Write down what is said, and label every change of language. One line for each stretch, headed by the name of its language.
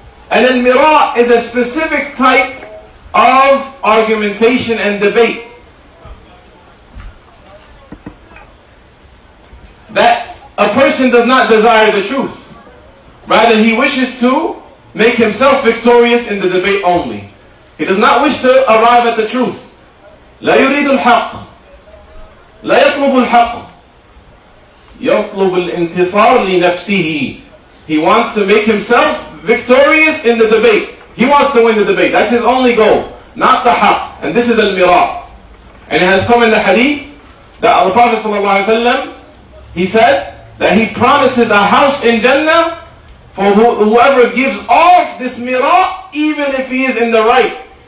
English: And al-mira is a specific type of argumentation and debate that a person does not desire the truth. Rather, he wishes to make himself victorious in the debate only. He does not wish to arrive at the truth.
Arabic: لا يريد الحق لا يطلب الحق يطلب الانتصار لنفسه.
English: He wants to make himself victorious in the debate. He wants to win the debate. That's his only goal. Not the haq. And this is al-mira. And it has come in the hadith that the Prophet sallallahu alaihi wasallam, he said that he promises a house in Jannah for whoever gives off this mira, even if he is in the right.